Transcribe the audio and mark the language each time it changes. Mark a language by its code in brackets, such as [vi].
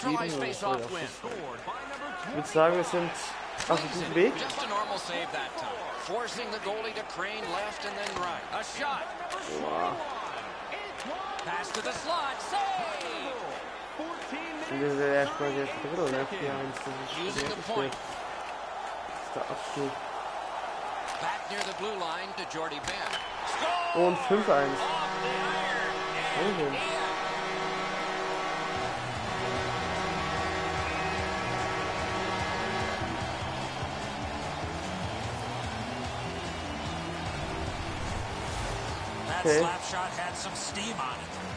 [de] Ich würde sagen, wir sind auf einem guten Weg. [en] Just a normal save that time. Forcing the goalie to crane left and then right. A shot. Wow. Pass to the slot. Save! [de] Und das ist ja erstmal der dritte, ne? 4-1, das ist schwer zu spielen. Das ist der Abstieg. [en] Back near the blue line to Jordy Benn. [de] Und 5-1. [en] That slap shot had some steam on it.